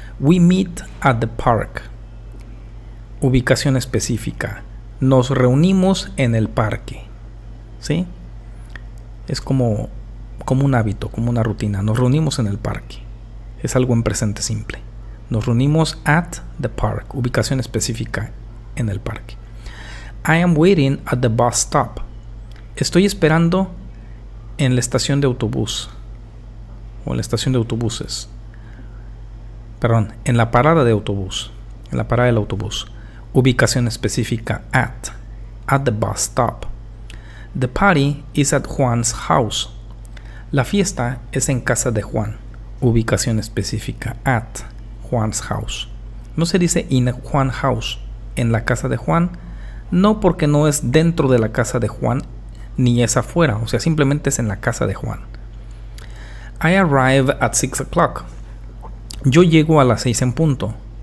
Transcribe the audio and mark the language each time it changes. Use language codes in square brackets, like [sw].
[en] We meet at the park. [es] Ubicación específica. Nos reunimos en el parque. ¿Sí? Es como un hábito, como una rutina. Nos reunimos en el parque. Es algo en presente simple. Nos reunimos [en] at the park. [es] Ubicación específica en el parque. [en] I am waiting at the bus stop. [es] Estoy esperando en la estación de autobús. O en la estación de autobuses. Perdón, en la parada de autobús. En la parada del autobús. Ubicación específica at. [en] At the bus stop. The party is at Juan's house. [es] La fiesta es en casa de Juan. Ubicación específica [en] at Juan's house. [es] No se dice [en] in Juan's house. [es] En la casa de Juan. No, porque no es dentro de la casa de Juan ni es afuera. O sea, simplemente es en la casa de Juan. [en] I arrive at 6 o'clock. [es] Yo llego a las 6 en punto.